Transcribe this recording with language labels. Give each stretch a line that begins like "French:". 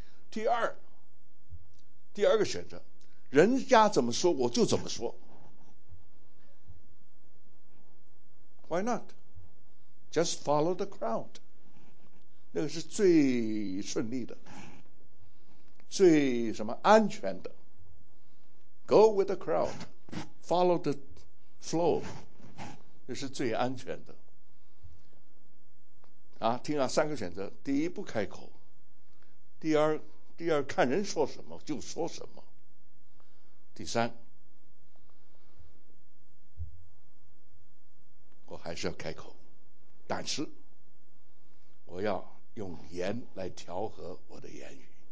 Chinese: 第二个选择，人家怎么说我就怎么说。
English: Why not? Just follow the crowd.
Chinese: 那个是最顺利的，最什么安全的。
English: Go with the crowd, follow the flow,
Chinese: 那是最安全的。听啊，三个选择，第一不开口，第二看人说什么就说什么，第三我还是要开口，但是我要用盐来调和我的言语。